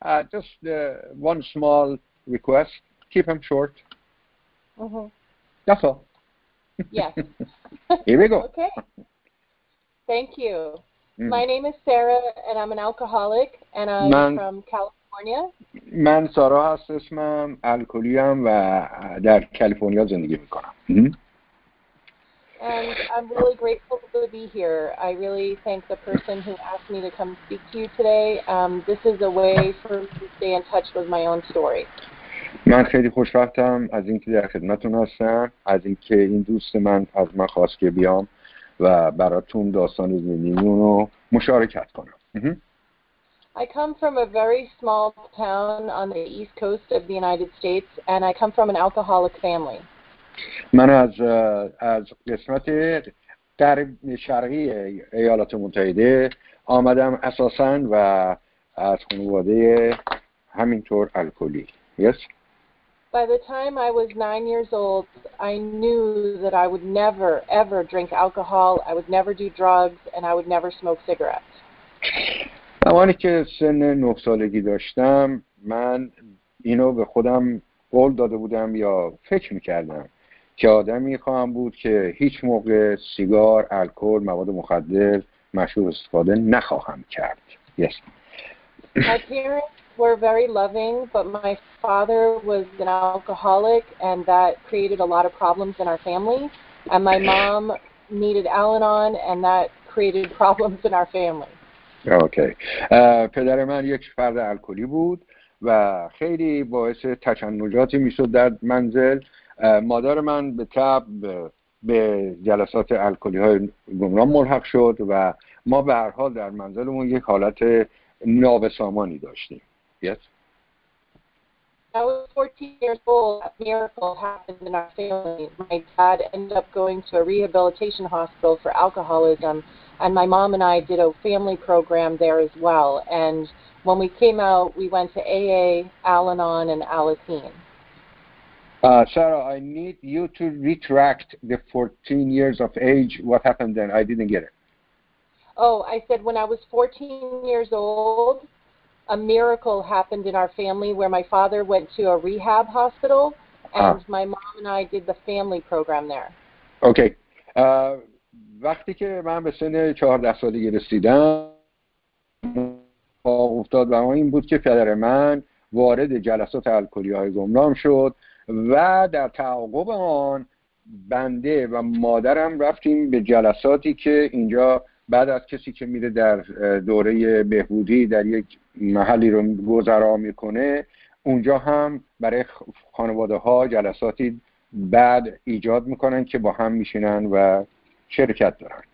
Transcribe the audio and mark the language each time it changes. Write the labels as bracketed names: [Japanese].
[English] Just one small request. Keep them short. Uh-huh. That's all. Yes. Here we go. Okay. Thank you. Mm. My name is Sarah, and I'm an alcoholic, and I'm from California. [Persian] من سارا هست اسمم، الکلیم و در کالیفرنیا زندگی میکنم. [English] And I'm really grateful to be here. I really thank the person who asked me to come speak to you today. This is a way for me to stay in touch with my own story. [Persian] من خیلی خوشبختم از اینکه در خدمتتون هستم، از اینکه این دوست من از من خواست که بیام و براتون داستان زندگیمون رو مشارکت کنم. [English] I come from a very small town on the east coast of the United States, and I come from an alcoholic family. [Persian] من از قسمت غرب شرقی ایالات متحده آمدم اساساً و از خانواده همینطور الکلی. [English] Yes. By the time I was 9 years old, I knew that I would never ever drink alcohol, I would never do drugs, and I would never smoke cigarettes. [Persian] زمانی که سن 9 سالگی داشتم، من اینو به خودم قول داده بودم یا فکر میکردم که آدمی خواهم بود که هیچ موقع سیگار، الکل، مواد مخدر، مشروب استفاده نخواهم کرد. [English] Yes. My parents were very loving, but my father was an alcoholic and that created a lot of problems in our family. And my mom needed Al-Anon and that created problems in our family. Okay. [Persian] پدر من یک فرد الکلی بود و خیلی باعث تشنجاتی میشد در منزل. مادر من به تبع به جلسات الکلی های گمنام ملحق شد و ما به هر حال در منزلمون یک حالت نابسامانی داشتیم. [English] Yes. I was 14 years old. A miracle happened in our family. My dad ended up going to a rehabilitation hospital for alcoholism, and my mom and I did a family program there as well. And when we came out, we went to AA, Al-Anon, and Alateen. Sarah, I need you to retract the 14 years of age. What happened then? I didn't get it. Oh, I said when I was 14 years old, a miracle happened in our family where my father went to a rehab hospital and my mom and I did the family program there. Okay. [Persian] وقتی که من به سن 14 سالگی رسیدم افتاد برام این بود که پدر من وارد جلسات الکلی های گمنام شد و در تعاقب آن بنده و مادرم رفتیم به جلساتی که اینجا بعد از کسی که میره در دوره بهبودی در یک محلی رو گذرا میکنه، اونجا هم برای خانواده ها جلساتی بعد ایجاد میکنن که با هم میشینن و شرکت دارن.